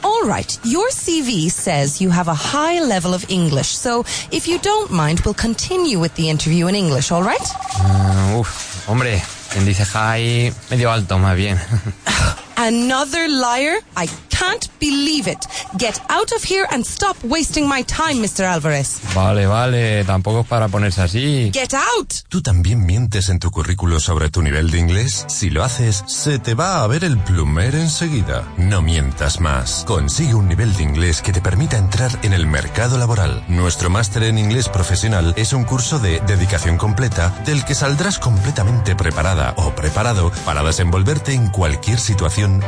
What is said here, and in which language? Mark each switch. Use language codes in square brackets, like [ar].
[en] All right, your CV says you have a high level of English, so if you don't mind, we'll continue with the interview in English, all right? [es] Hombre, quien dice high, medio alto, más bien. [en] Another liar? I can't believe it. Get out of here and stop wasting my time, Mr. Álvarez. [es] Vale, vale, tampoco es para ponerse así. [en] Get out! [es] ¿Tú también mientes en tu currículo sobre tu nivel de inglés? Si lo haces, se te va a ver el plumer enseguida. No mientas más. Consigue un nivel de inglés que te permita entrar en el mercado laboral. Nuestro máster en inglés profesional es un curso de dedicación completa del que saldrás completamente preparada o preparado para desenvolverte en cualquier situación.